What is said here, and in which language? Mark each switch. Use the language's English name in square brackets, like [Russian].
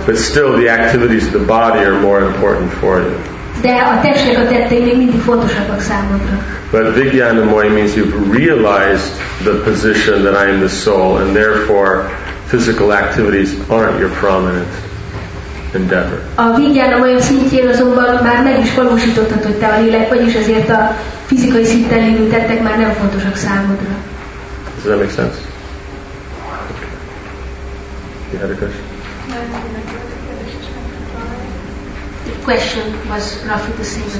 [English] But still the activities of the body are more important for you. [Hungarian] De a testnek a tettei még mindig fontosabbak számodra. [English] But Vijnanamoy means you've realized the position that I am the soul, and therefore physical activities aren't your prominent endeavor. [Hungarian] A Vijnanamoy szintjén azonban már meg is valósítottad, hogy te a lélek vagy, és ezért a fizikai szinten lévő tettek már nem fontosak számodra. [English] Does that make sense? Okay. You had a question? The question was roughly the same